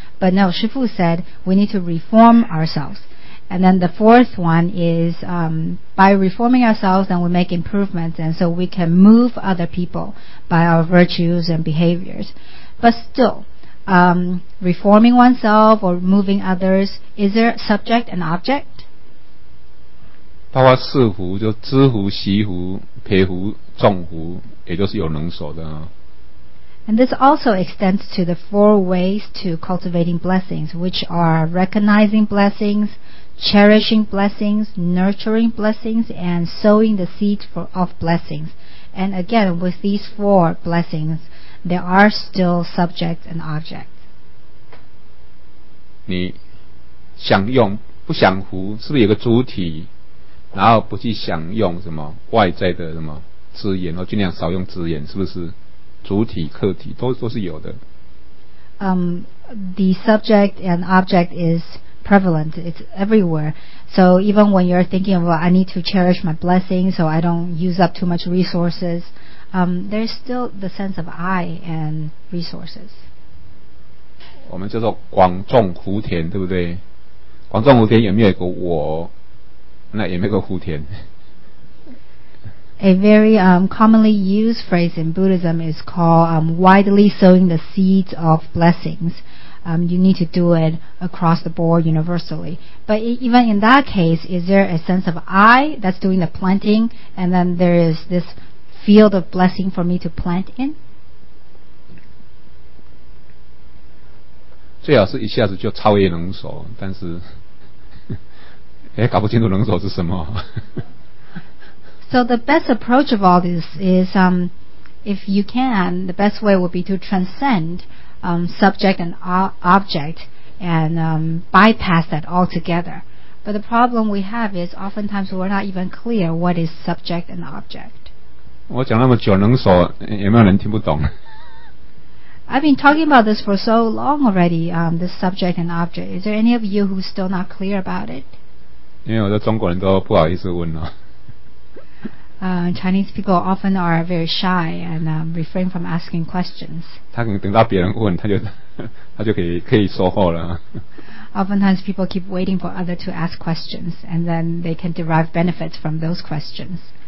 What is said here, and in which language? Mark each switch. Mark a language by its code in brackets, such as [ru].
[en] But no, Shi Fu said we need to reform ourselves. And then the fourth one is by reforming ourselves, then we make improvements, and so we can move other people by our virtues and behaviors. But still, reforming oneself or moving others, is there subject and object? [zh] 包括四福，就知福、惜福、培福、种福，也就是有能所的啊。 [en] And this also extends to the four ways to cultivating blessings, which are recognizing blessings, cherishing blessings, nurturing blessings, and sowing the seed of blessings. And again, with these four blessings, there are still subject and object. [zh] 你享用不享福，是不是有个主体，然后不去享用什么外在的什么资源，然后尽量少用资源，是不是？主体、客体都是有的。 [en] The subject and object is prevalent. It's everywhere. So even when you're thinking about, I need to cherish my blessings so I don't use up too much resources, there's still the sense of I and resources. [zh] 我们叫做广种福田，对不对？广种福田有没有一个我？那有没有一个福田？ [en] A very commonly used phrase in Buddhism is called widely sowing the seeds of blessings. You need to do it across the board universally. But even in that case, is there a sense of I that's doing the planting, and then there is this field of blessing for me to plant in? [zh] 最好是一下子就超越能所，但是也搞不清楚能所是什么。 [en] So the best approach of all this is, if you can, the best way would be to transcend subject and object, and bypass that altogether. But the problem we have is oftentimes we're not even clear what is subject and object. [zh] 我讲那么久能说有没有人听不懂 [en] I've been talking about this for so long already, this subject and object. Is there any of you who's still not clear about it? [zh] 因为我的中国人都不好意思问了。 [en] Chinese people often are very shy and refrain from asking questions. [zh] 他可能等到别人问，他就可以说话了。 [en] Oftentimes people keep waiting for others to ask questions, and then they can derive benefits from those questions.